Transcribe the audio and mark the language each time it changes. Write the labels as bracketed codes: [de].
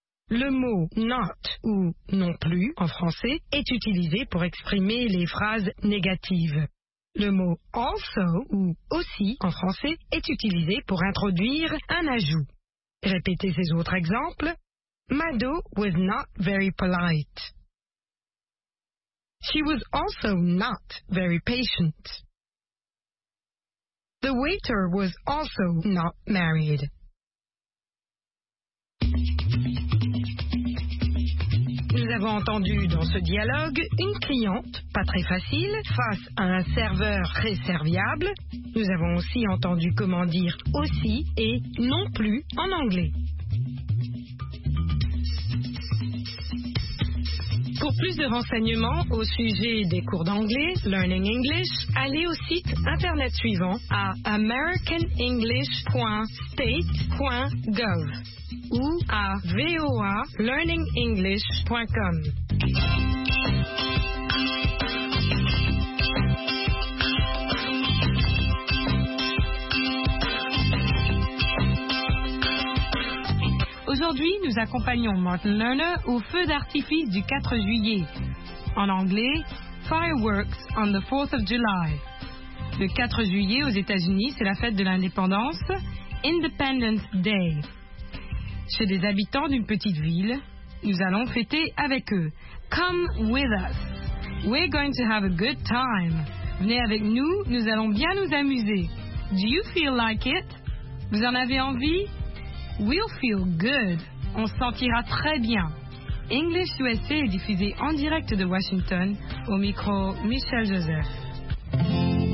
[fr] Le mot « not » ou « non plus » en français est utilisé pour exprimer les phrases négatives. Le mot « also » ou « aussi » en français est utilisé pour introduire un ajout. Répétez ces autres exemples. [en] Mado was not very polite. She was also not very patient. The waiter was also not married. [fr] Nous avons entendu dans ce dialogue une cliente, pas très facile, face à un serveur très serviable. Nous avons aussi entendu comment dire « aussi » et « non plus » en anglais. Pour plus de renseignements au sujet des cours d'anglais, Learning English, allez au site internet suivant à americanenglish.state.gov ou à voalearningenglish.com. Aujourd'hui, nous accompagnons Martin Lerner au feu d'artifice du 4 juillet. En anglais, [en] Fireworks on the 4th of July. [fr] Le 4 juillet aux États-Unis, c'est la fête de l'indépendance, Independence Day. Chez les habitants d'une petite ville, nous allons fêter avec eux. [en] Come with us. We're going to have a good time. [fr] Venez avec nous, nous allons bien nous amuser. [en] Do you feel like it? [fr] Vous en avez envie? [en] We'll feel good. [fr] On se sentira très bien. English USA est diffusé en direct de Washington au micro Michel Joseph.